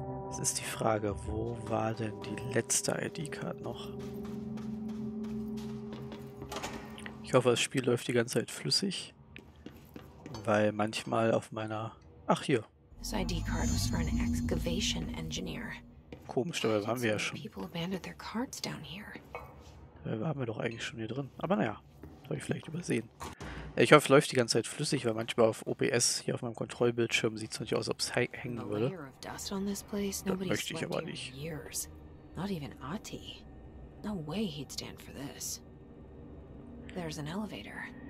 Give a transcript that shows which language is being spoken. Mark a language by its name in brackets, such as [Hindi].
[German] Es ist die Frage, wo war denn die letzte ID-Card noch? Ich hoffe, das Spiel läuft die ganze Zeit flüssig. Weil manchmal auf meiner... Ach, hier. [English] This ID card was for an excavation engineer. [German] Komisch, dabei waren wir ja schon. Dabei waren wir doch eigentlich schon hier drin. Aber naja, habe ich vielleicht übersehen. Ich hoffe, es läuft die ganze Zeit flüssig, weil manchmal auf OBS, hier auf meinem Kontrollbildschirm, sieht es nicht aus, ob es hängen würde. Das möchte ich aber nicht. [English] Not even Ati. No way he'd stand for this. There's an elevator.